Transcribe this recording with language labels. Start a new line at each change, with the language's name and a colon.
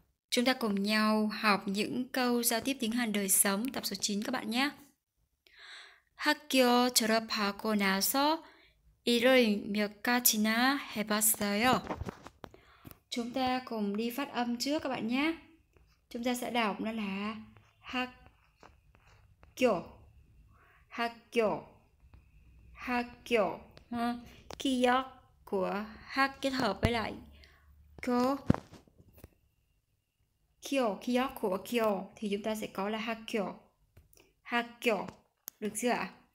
Vietnamese: Chúng ta cùng nhau học những câu giao tiếp tiếng Hàn đời sống tập số 9 các bạn nhé.
Korean: 학교 졸업하고 나서 일을 몇 가지나 해봤어요.
Vietnamese: Chúng ta cùng đi phát âm trước các bạn nhé. Chúng ta sẽ đọc nó là
Korean: 학교. 학교. 학교.
Vietnamese: Ký ức của h kết hợp với lại kyo kyo kyo của kyo thì chúng ta sẽ có là hakyo hakyo được chưa ạ?